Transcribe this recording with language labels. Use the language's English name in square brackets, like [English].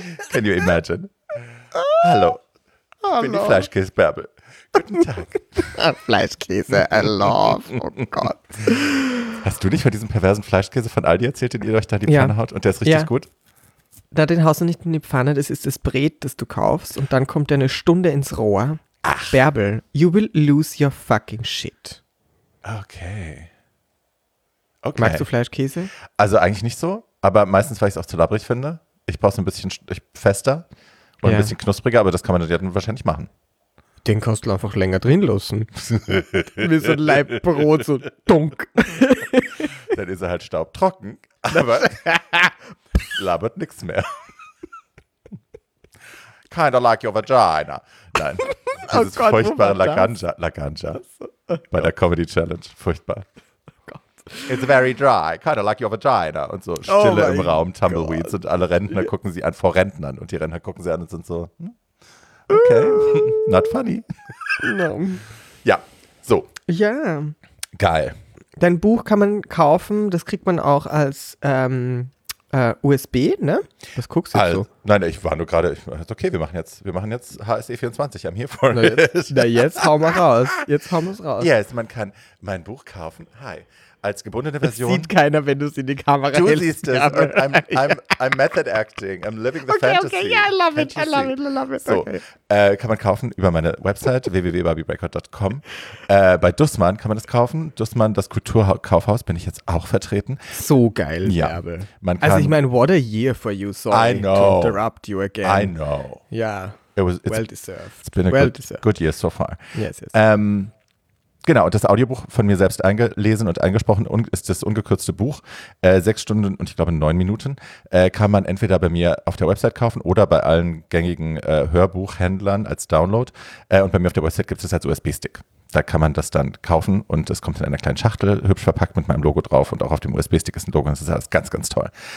[English] Can you imagine? [German] Hallo. Ich bin die Fleischkäse-Bärbel. Guten Tag. [English] Fleischkäse, I love, [German] oh Gott. Hast du nicht von diesem perversen Fleischkäse von Aldi erzählt, den ihr euch da in die Pfanne haut? Und der ist richtig gut? Da den haust du nicht in die Pfanne, das ist das Brät, das du kaufst. Und dann kommt der eine Stunde ins Rohr. Ach. [English] Bärbel, you will lose your fucking shit. Okay. [German] Magst du Fleischkäse? Also eigentlich nicht so, aber meistens, weil ich es auch zu labbrig finde. Ich brauche es ein bisschen fester und ein bisschen knuspriger, aber das kann man dann wahrscheinlich machen. Den kannst du einfach länger drin lassen. Wie so ein Leibbrot, so dunk. Dann ist er halt staubtrocken, aber labert nichts mehr. [English] Kinda like your vagina. [German] Nein, dieses furchtbare [English] La Ganja. [German] Bei der Comedy Challenge, furchtbar. [English] It's very dry, kind of like your vagina. [German] Und so Stille im Raum, Tumbleweeds. [English] God. [German] Und alle Rentner gucken sie an, vor Rentnern. Und die Rentner gucken sie an und sind so, [English] okay, not funny. No. [German] Ja, so. Ja. Geil. Dein Buch kann man kaufen, das kriegt man auch als USB, ne? Was guckst du jetzt so? Nein, ich war nur gerade, okay, wir machen jetzt HSE24, [English] I'm here for it. [German] Na jetzt hauen wir raus. Jetzt hauen wir es raus. Yes, man kann mein Buch kaufen. Hi. Als gebundene Version. Das sieht keiner, wenn du es in die Kamera hältst. Du siehst es. [English] I'm method acting. I'm living the fantasy. Okay, yeah, I love it. [German] So, kann man kaufen über meine Website www.barbiebreakout.com. Bei Dussmann kann man das kaufen. Dussmann, das Kulturkaufhaus, bin ich jetzt auch vertreten. So geil, Werbe. Man kann, also ich meine, [English] what a year for you. Sorry to interrupt you again. I know. Yeah, well deserved. It's been a good year so far. Yes. [German] Genau, das Audiobuch von mir selbst eingelesen und eingesprochen ist das ungekürzte Buch. 6 Stunden und ich glaube 9 Minuten kann man entweder bei mir auf der Website kaufen oder bei allen gängigen Hörbuchhändlern als Download. Und bei mir auf der Website gibt es das als USB-Stick. Da kann man das dann kaufen und es kommt in einer kleinen Schachtel, hübsch verpackt mit meinem Logo drauf und auch auf dem USB-Stick ist ein Logo. Das ist alles ganz, ganz toll.